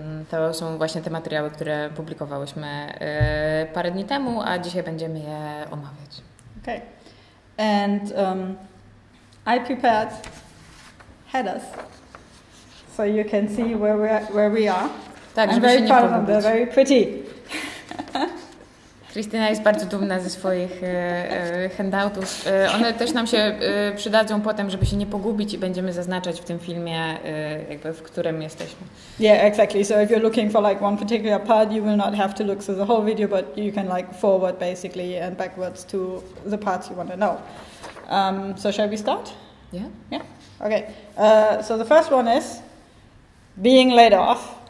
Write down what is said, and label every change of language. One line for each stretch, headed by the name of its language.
Polish: To są właśnie te materiały, które publikowałyśmy parę dni temu, a dzisiaj będziemy je omawiać.
English: Okay. And I prepared headers, so you can see where we are.
Polish: Tak,
English: I'm very proud of them. They're very pretty.
Polish: Krystyna jest bardzo dumna ze swoich handoutów. One też nam się przydadzą potem, żeby się nie pogubić, i będziemy zaznaczać w tym filmie, jakby w którym jesteśmy.
English: Yeah, exactly. So if you're looking for like one particular part, you will not have to look through the whole video, but you can like forward basically and backwards to the parts you want to know. So shall we start? Yeah. Yeah. Okay. So the first one is being laid off.